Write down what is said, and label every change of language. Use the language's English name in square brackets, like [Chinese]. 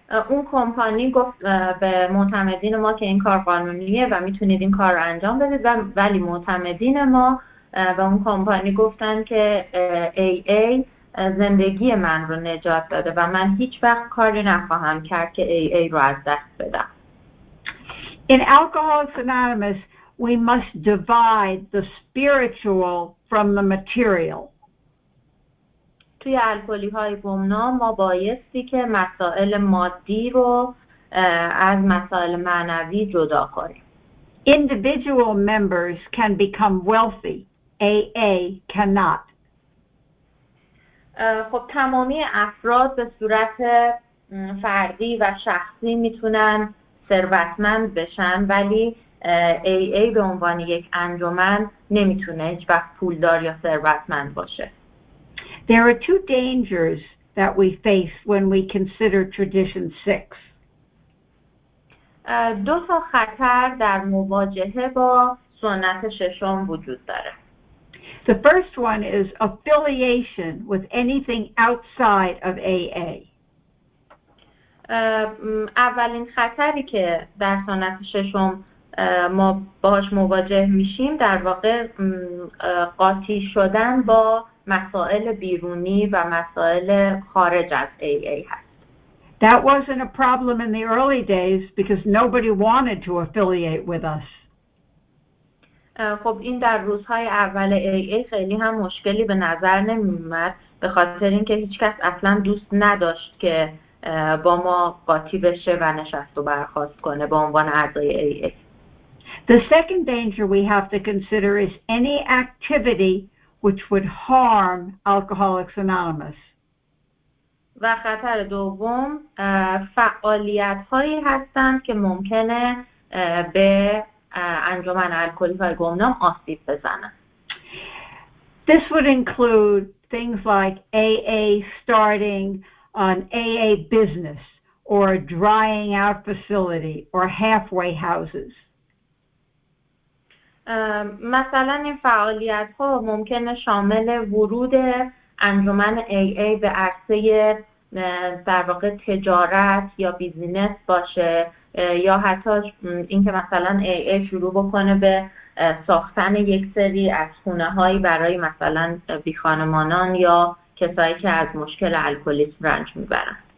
[Persian] اون کمپانی گفت به معتمدین ما که این کار قانونیه و میتونید این کار رو انجام بدید، ولی معتمدین ما به اون کمپانی گفتن که AA زندگی من رو نجات داده و من هیچ وقت کاری نخواهم کرد که AA رو از دست بدم. [English] In Alcoholics Anonymous, we must divide the spiritual from the material. [Persian] توی الکلی‌های گمنام ما بایستی که مسائل مادی رو از مسائل معنوی جدا کنیم. [English] Individual members can become wealthy. AA cannot. [Persian] خب تمامی افراد به صورت فردی و شخصی میتونن ثروتمند بشن، ولی AA به عنوان یک انجمن نمیتونه هیچ وقت پولدار یا ثروتمند باشه. [English] There are two dangers that we face when we consider tradition 6. [Persian] دو تا خطر در مواجهه با سنت ششم وجود داره. [English] The first one is affiliation with anything outside of AA. [Persian] اولین خطری که در سنت ششم ما باهاش مواجه میشیم در واقع قاطی شدن با مسائل بیرونی و مسائل خارج از AA هست. [English] That wasn't a problem in the early days because nobody wanted to affiliate with us. [Persian] خب این در روزهای اول AA خیلی هم مشکلی به نظر نمی‌اومد، به خاطر اینکه هیچ کس اصلاً دوست نداشت که با ما قاطی بشه و نشست و برخاست کنه به عنوان اعضای AA. [English] The second danger we have to consider is any activity which would harm Alcoholics Anonymous. [Persian] و خطر دوم فعالیت هایی هستند که ممکنه به انجمن الکلی‌های گمنام آسیب بزنن. [English] This would include things like AA starting an AA business or a drying out facility or halfway houses. [Persian] مثلا این فعالیت ها ممکنه شامل ورود انجمن AA به عرصه در واقع تجارت یا بیزینس باشه، یا حتی اینکه مثلا AA شروع بکنه به ساختن یک سری از خونه هایی برای مثلا بیخانمانان یا کسایی که از مشکل الکلیسم رنج میبرن.